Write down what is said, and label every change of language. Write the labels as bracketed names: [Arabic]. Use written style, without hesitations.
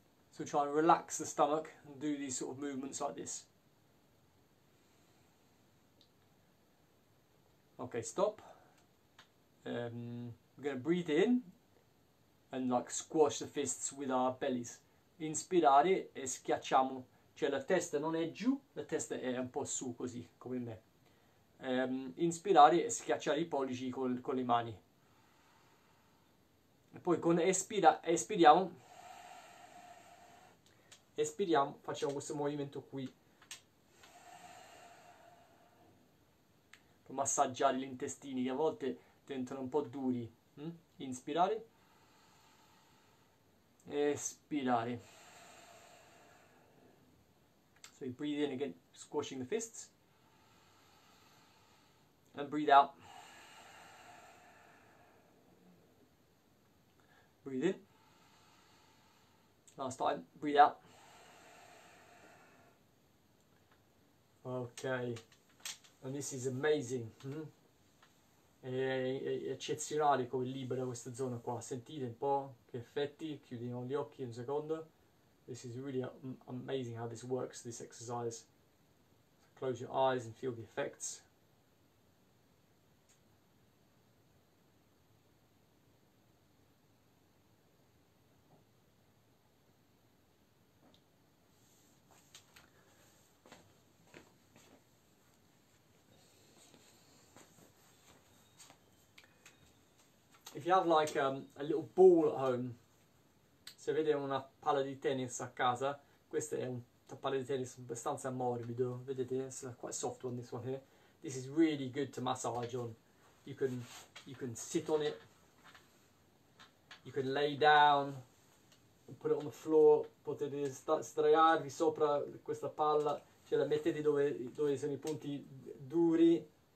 [English] So try and relax the stomach and do these sort of movements like this. Okay, stop. We're going to breathe in and like squash the fists with our bellies. [Italian] Inspirare e schiacciamo. Cioè la testa non è giù, la testa è un po' su così, come me. Inspirare e schiacciare i pollici con le mani. E poi con espiriamo Espiriamo, facciamo questo movimento qui. Per massaggiare gli intestini che a volte diventano un po' duri. Inspirare. Espirare. [English] So you breathe in again, squashing the fists. And breathe out. Breathe in. Last time, breathe out. Okay, and this is amazing. [Italian] È eccezionale come libera questa zona qua. Sentite un po' che effetti. Chiudiamo gli occhi un secondo. [English] This is really amazing how this works, this exercise. So close your eyes and feel the effects. If you have like a little ball at home, [Italian] se avete una palla di tennis a casa, questa è una palla di tennis abbastanza morbido, vedete? [English] It's quite soft one, this one here. This is really good to massage on. You can sit on it, you can lay down, and put it on the floor, [Italian] potete sdraiarvi sopra questa palla, cioè la mettete dove sono i punti duri.